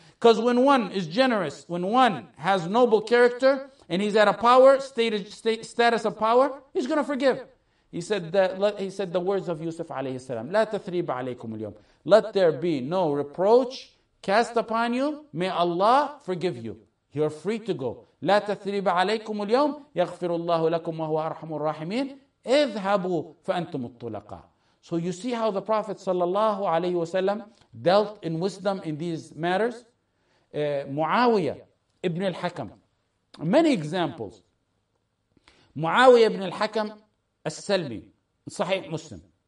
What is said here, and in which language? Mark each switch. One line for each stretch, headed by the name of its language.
English: Because when one is generous, when one has noble character, and he's at a power, status of power, he's going to forgive. He said the words of Yusuf alayhi salam,
Arabic: لا تثريب عليكم اليوم.
English: Let there be no reproach cast upon you. May Allah forgive you. You're free to go.
Arabic: لا تثريب عليكم اليوم. يغفر الله لكم وهو أرحم الراحمين. اذهبوا فأنتم الطلقاء.
English: So you see how the Prophet sallallahu alayhi wasallam dealt in wisdom in these matters. Muawiyah ibn al-Hakam. Many examples. Muawiyah ibn al-Hakam al-Salmi, Sahih Muslim.